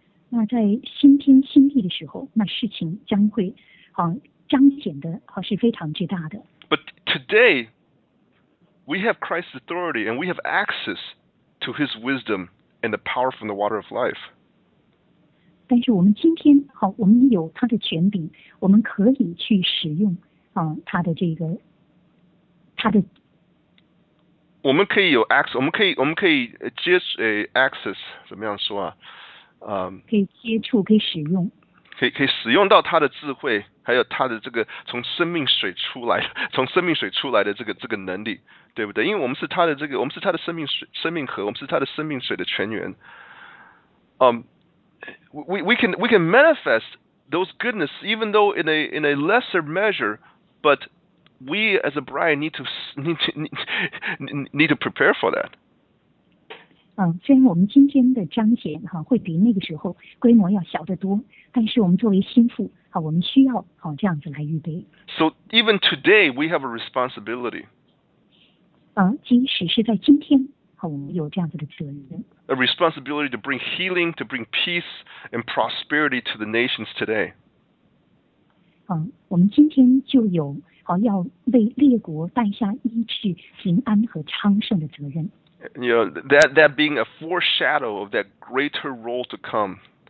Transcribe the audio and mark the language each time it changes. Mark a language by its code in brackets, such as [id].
[zh] 那在新天新地的时候，那事情将会彰显的是非常之大的。 [en] But today, we have Christ's authority and we have access to His wisdom and the power from the water of life. [zh] 但是我们今天好，我们有他的权柄，我们可以去使用他的这个。我们可以有 access， 我们可以接access， 怎么样说啊？可以接触，可以使用，可以使用到他的智慧，还有他的这个从生命水出来的这个能力，对不对？因为我们是他的这个，我们是他的生命水生命河，我们是他的生命水的泉源。 [en] We can manifest those goodness even though in a lesser measure， but We as a bride need to prepare for that. [zh] 虽然我们今天的彰显哈会比那个时候规模要小得多，但是我们作为新妇哈，我们需要哈这样子来预备。 [en] So even today we have a responsibility. [zh] 即使是在今天，哈，我们有这样子的责任。 [en] A responsibility to bring healing, to bring peace and prosperity to the nations today. [zh] 我们今天就有。要为列国带下医治、平安和昌盛的责任。 [en] You know, that being a foreshadow of that greater role to come.